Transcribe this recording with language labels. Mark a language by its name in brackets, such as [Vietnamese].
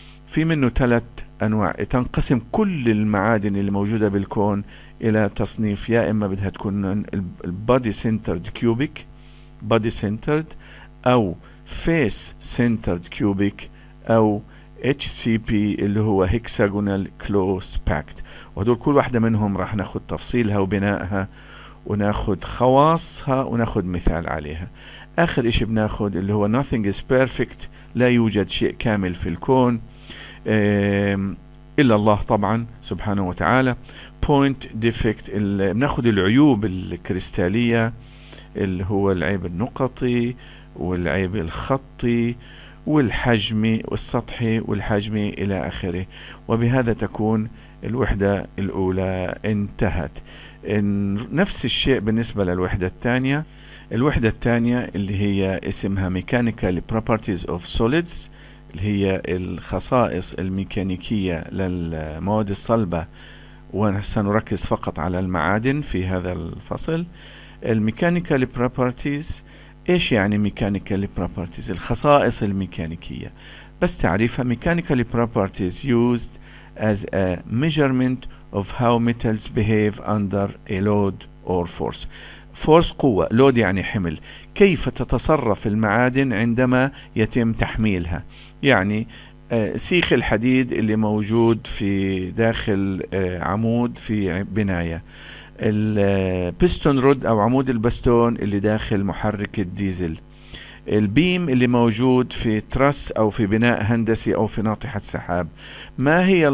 [Arabic] في منه ثلاث أنواع، تنقسم كل المعادن اللي موجودة بالكون إلى تصنيف، يا إما بدها تكون البادي سنترد كيوبيك body centered او face centered cubic او [English] HCP اللي هو Hexagonal Close Pact. [Arabic] وهدول كل واحدة منهم راح ناخد تفصيلها وبنائها وناخد خواصها وناخد مثال عليها. آخر إشي بناخد اللي هو [English] Nothing is Perfect، [Arabic] لا يوجد شيء كامل في الكون إلا الله طبعا سبحانه وتعالى. Point Defect بناخد العيوب الكريستالية اللي هو العيب النقطي والعيب الخطي والحجمي والسطحي والحجمي إلى آخره. وبهذا تكون الوحدة الأولى انتهت. نفس الشيء بالنسبة للوحدة الثانية. الوحدة الثانية اللي هي اسمها Mechanical Properties of Solids، اللي هي الخصائص الميكانيكية للمواد الصلبة، وسنركز فقط على المعادن في هذا الفصل. الميكانيكال بروبرتيز، ايش يعني ميكانيكال بروبرتيز؟ الخصائص الميكانيكية. بس تعريفها، [English] Mechanical properties used as a measurement of how metals behave under a load or force. [Arabic] force قوة، load يعني حمل. كيف تتصرف المعادن عندما يتم تحميلها؟ يعني سيخ الحديد اللي موجود في داخل عمود في بناية، البستون رود أو عمود البستون اللي داخل محرك الديزل، البيم اللي موجود في ترس أو في بناء هندسي أو في ناطحة سحاب، ما